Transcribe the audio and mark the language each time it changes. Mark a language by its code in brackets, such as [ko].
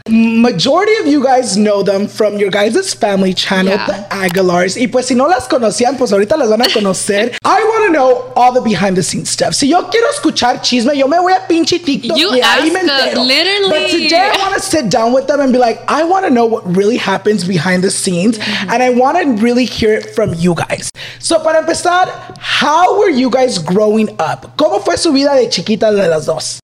[en] Majority of you guys know them from your guys' family channel, yeah. The Aguilars. [es] Y pues si no las conocían, pues ahorita las van a conocer. [en] I want to know all the behind the scenes stuff. [es] Si yo quiero escuchar chisme, yo me voy a pinche TikTok. [en] You ask, literally. But today I want to sit down with them and be like, I want to know what really happens behind the scenes. Mm-hmm. And I want to really hear it from you guys. So [es] para empezar, [en] how were you guys growing up? [es] ¿Cómo fue su vida de chiquita de las dos?